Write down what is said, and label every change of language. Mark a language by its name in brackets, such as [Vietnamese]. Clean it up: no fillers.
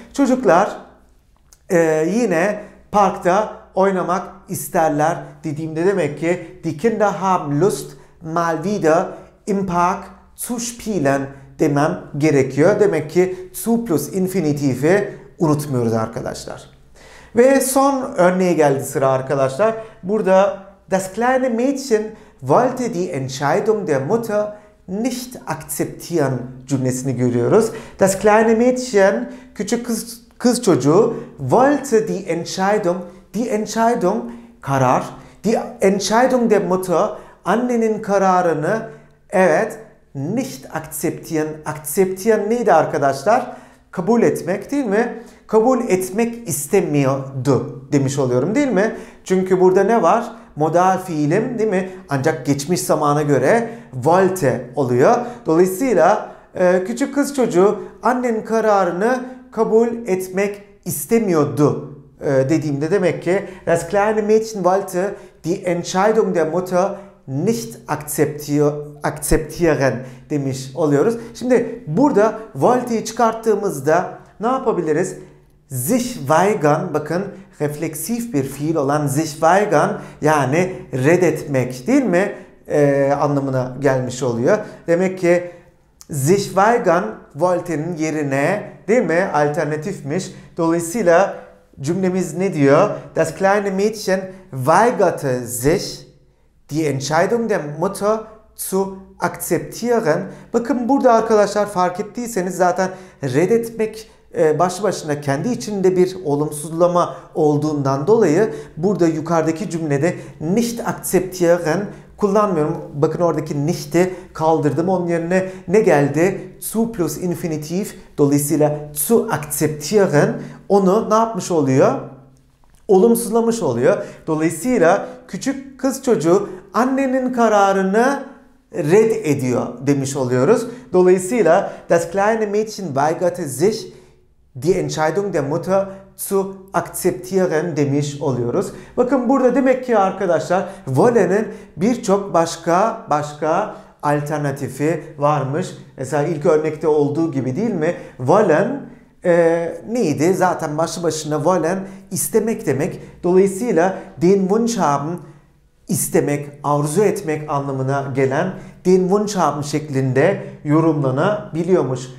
[Turkish] Çocuklar yine parkta oynamak isterler dediğimde [German] demek ki Die Kinder haben Lust, mal wieder im Park zu spielen [Turkish] demem gerekiyor. Demek ki zu plus infinitifi unutmuyoruz arkadaşlar. Ve son örneğe geldi sıra arkadaşlar. [German] Burada das kleine Mädchen wollte die Entscheidung der Mutter nicht akzeptieren [Turkish] cümlesini görüyoruz. [German] Das kleine Mädchen, [Turkish] küçük kız, Kız çocuğu [German] wollte die Entscheidung [Turkish] karar. [German] Die Entscheidung der Mutter, [Turkish] annenin kararını evet [German] nicht akzeptieren. [Turkish] Akzeptieren neydi arkadaşlar? Kabul etmek değil mi? Kabul etmek istemiyordu demiş oluyorum değil mi? Çünkü burada ne var? Modal fiilim değil mi? Ancak geçmiş zamana göre wollte oluyor. Dolayısıyla küçük kız çocuğu annenin kararını kabul etmek istemiyordu dediğimde demek ki [German] das kleine Mädchen wollte die Entscheidung der Mutter nicht akzeptieren [Turkish] demiş oluyoruz. Şimdi burada wollte'yi çıkarttığımızda ne yapabiliriz? Sich weigern, bakın refleksif bir fiil olan [German] sich weigern [Turkish] yani reddetmek değil mi anlamına gelmiş oluyor. Demek ki sich weigern wollte'nin yerine değil mi alternatifmiş. Dolayısıyla cümlemiz ne diyor? [German] Das kleine Mädchen weigerte sich die Entscheidung der Mutter zu akzeptieren. [Turkish] Bakın burada arkadaşlar fark ettiyseniz zaten reddetmek başlı başına kendi içinde bir olumsuzlama olduğundan dolayı burada yukarıdaki cümlede nicht akzeptieren kullanmıyorum. Bakın oradaki nicht'i kaldırdım. Onun yerine ne geldi? Zu plus infinitiv. Dolayısıyla zu akzeptieren onu ne yapmış oluyor? Olumsuzlamış oluyor. Dolayısıyla küçük kız çocuğu annenin kararını red ediyor demiş oluyoruz. [German] Dolayısıyla das kleine Mädchen weigerte sich die Entscheidung der Mutter zu akzeptieren [Turkish] demiş oluyoruz. Bakın burada demek ki arkadaşlar wollen'in birçok başka alternatifi varmış. Mesela ilk örnekte olduğu gibi değil mi? Wollen neydi? Zaten başlı başına wollen istemek demek. Dolayısıyla [German] den Wunsch haben [Turkish] istemek, arzu etmek anlamına gelen den Wunsch haben şeklinde yorumlanabiliyormuş.